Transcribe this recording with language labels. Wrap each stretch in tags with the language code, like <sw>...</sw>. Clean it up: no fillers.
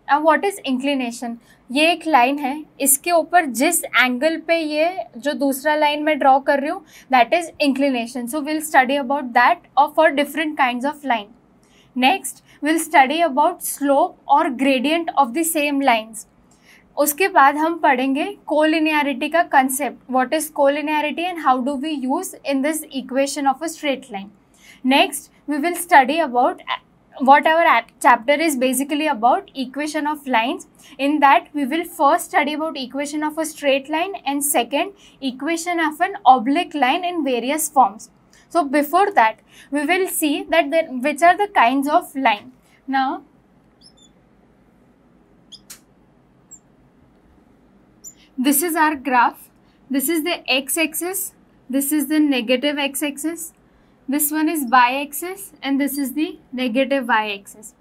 <en>And what is inclination?</en> <hi>ये एक line है, इसके ऊपर जिस angle पे ये जो दूसरा line मैं draw कर रही हूँ</hi> <en>that is inclination. So we'll study about that or for different kinds of line. Next we'll study about slope or gradient of the same lines.</en> <hi>उसके बाद हम पढ़ेंगे कोलिनियरिटी का concept.</hi> <en>What is collinearity and how do we use in this equation of a straight line. Next we will study about what our chapter is basically about equation of lines. In that we will first study about equation of a straight line and second equation of an oblique line in various forms. So before that we will see that which are the kind of line. Now this is our graph, this is the x-axis, this is the negative x-axis, this one is y-axis and this is the negative y-axis.</en>